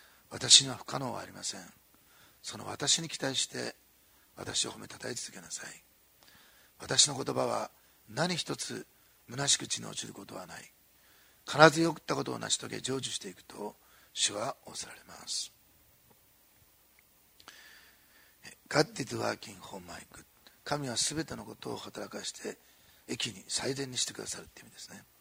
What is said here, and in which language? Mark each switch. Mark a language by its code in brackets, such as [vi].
[ja] 私には不可能はありません。その私に期待して私を褒めたたえ続けなさい。私の言葉は何一つ虚しく地に落ちることはない。必ず良ったことを成し遂げ成就していくと主は仰せられます。 [en] God is working for my good。 [ja] 神はすべてのことを働かせて益に、最善にしてくださるという意味ですね。